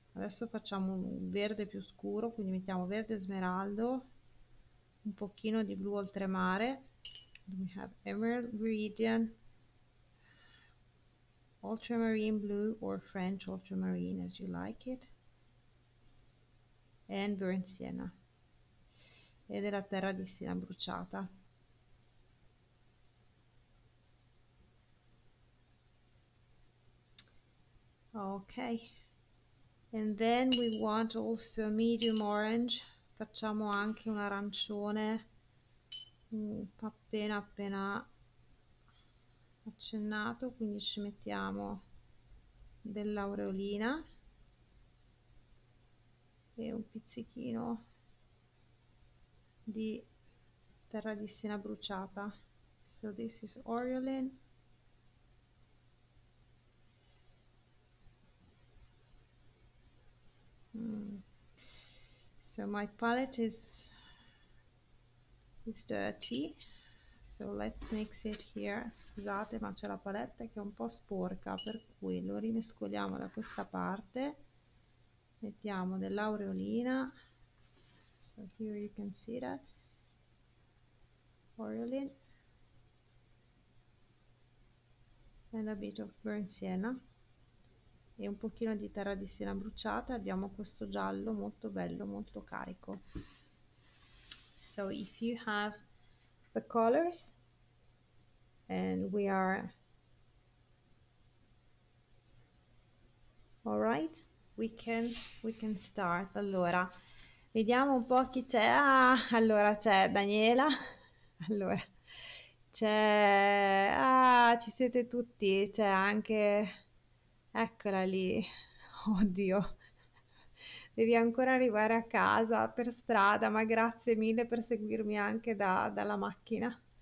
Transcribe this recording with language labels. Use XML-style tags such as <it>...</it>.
<it>Adesso facciamo un verde più scuro, quindi mettiamo verde smeraldo. Un pochino di blu oltremare.</it> <en>We have emerald viridian, ultramarine blue or French ultramarine as you like it, and burnt sienna.</en> <it>Ed è la terra di Siena bruciata.</it> <en>Ok, and then we want also medium orange.</en> <it>Facciamo anche un arancione appena appena accennato, quindi ci mettiamo dell'aureolina e un pizzichino di terra di Siena bruciata.</it> <en>So this is aureolin. So my palette is dirty, so let's mix it here.</en> <it>Scusate, ma c'è la paletta che è un po' sporca, per cui lo rimescoliamo da questa parte. Mettiamo dell'aureolina.</it> <en>So here you can see that. Aureolin. And a bit of burnt sienna.</en> <it>E un pochino di terra di Siena bruciata, abbiamo questo giallo molto bello, molto carico.</it> <en>So if you have the colors and we are alright, we can start.</en> <it>Allora, vediamo un po' chi c'è. Ah, allora c'è Daniela. Allora c'è, ci siete tutti, c'è anche, eccola lì, oddio, devi ancora arrivare a casa per strada, ma grazie mille per seguirmi anche dalla macchina.</it>